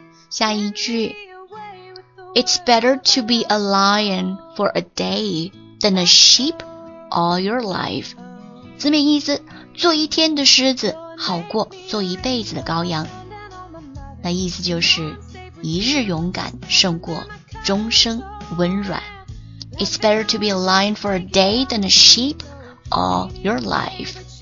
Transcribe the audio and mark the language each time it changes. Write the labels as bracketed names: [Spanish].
[Chinese] 下一句 [English] It's better to be a lion for a day than a sheep all your life. [Chinese] 字面意思，做一天的狮子好过做一辈子的羔羊。那意思就是一日勇敢胜过终生温软。 [English] It's better to be a lion for a day than a sheep all your life.